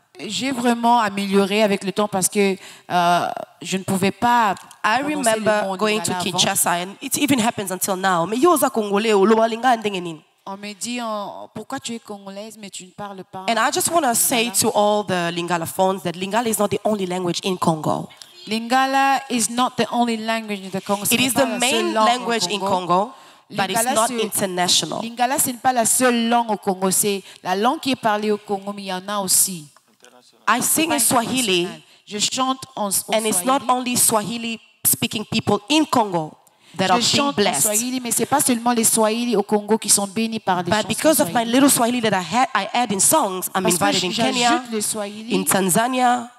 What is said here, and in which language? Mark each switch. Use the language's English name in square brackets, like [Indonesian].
[French] J'ai vraiment amélioré avec le temps parce que je ne pouvais pas [English] I remember [French] le mot [English] going [French] Lingala [English] to Kinshasa [French] avant. [English] And it even happens until now. [Lingala] Mais yo za congolais ou loba Lingala ndengeni. [French] On me dit pourquoi tu es congolaise mais tu ne parles pas. [English] And I just want to say to all the Lingalophones that Lingala is not the only language in Congo. Lingala is not the only language in the Congo. It is the main language in Congo, but it's not international. [French] Lingala c'est pas la seule langue au Congo. C'est la langue qui est parlée au Congo, mais il y en a aussi. [English] I sing in Swahili. [French] Je chante en Swahili. [English] And it's not only Swahili speaking people in Congo that are being blessed. [French] Je chante en Swahili, mais c'est pas seulement les Swahili au Congo qui sont bénis par des chansons. [English] But because of my little Swahili that I add in songs, I'm invited in Kenya, in Tanzania.